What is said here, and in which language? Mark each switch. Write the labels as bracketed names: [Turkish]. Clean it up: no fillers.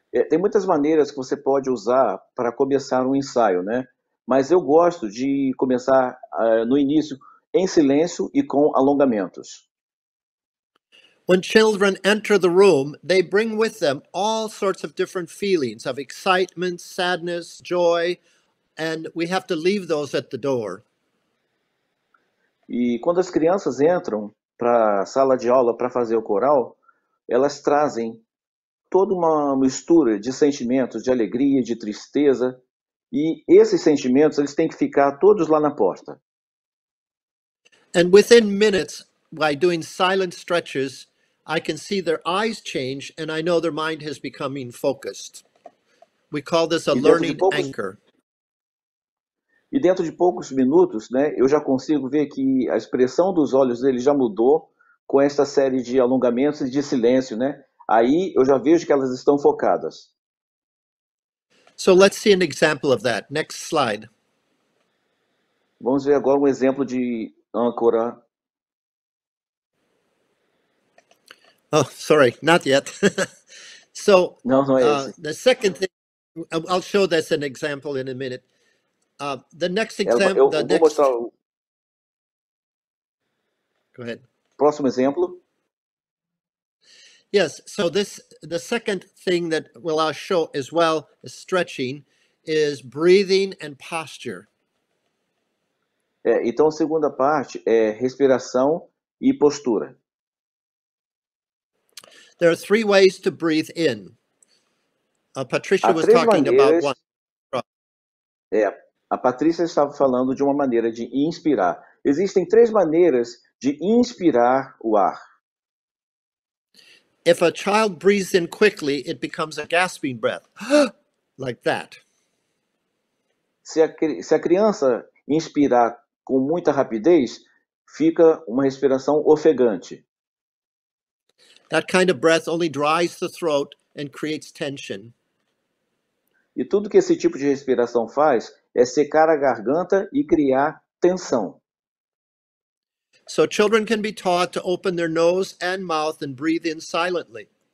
[Portuguese] Tem muitas maneiras que você pode usar para começar um ensaio, né? Mas eu gosto de começar no início em silêncio e com alongamentos. [English] When children enter the room, they bring with them all sorts of different feelings of excitement, sadness, joy, and we have to leave those at the door. [Portuguese] E quando as crianças entram para a sala de aula para fazer o coral, elas trazem toda uma mistura de sentimentos, de alegria, de tristeza, e esses sentimentos, eles têm que ficar todos lá na porta. [English] And within minutes, by doing silent stretches, I can see their eyes change and I know their mind has become focused. We call this a learning anchor. [Portuguese] E dentro de poucos minutos, né, eu já consigo ver que a expressão dos olhos deles já mudou com esta série de alongamentos e de silêncio, né? Aí eu já vejo que elas estão focadas. [English] So let's see an example of that. Next slide. [Portuguese] Vamos ver agora um exemplo de âncora. [English] Oh, sorry, not yet. So, [Portuguese] não é esse. [English] The second thing, I'll show this an example in a minute. The next example, [Portuguese] Mostrar o... [English] Go ahead. [Portuguese] Próximo exemplo. [English] Yes, so the second thing that we'll show as well as stretching is breathing and posture. [Portuguese] Então, a segunda parte é respiração e postura. [English] There are three ways to breathe in. Patricia was talking [Portuguese] maneiras, [English] about one. [Portuguese] A Patrícia estava falando de uma maneira de inspirar. Existem três maneiras de inspirar o ar. [English] If a child breathes in quickly, it becomes a gasping breath. Like that. [Portuguese] Se a criança inspirar com muita rapidez, fica uma respiração ofegante. [English] That kind of breath only dries the throat and creates tension. [Portuguese] E tudo que esse tipo de respiração faz é secar a garganta e criar tensão. [English] So children can be taught to open their nose and mouth and breathe in silently.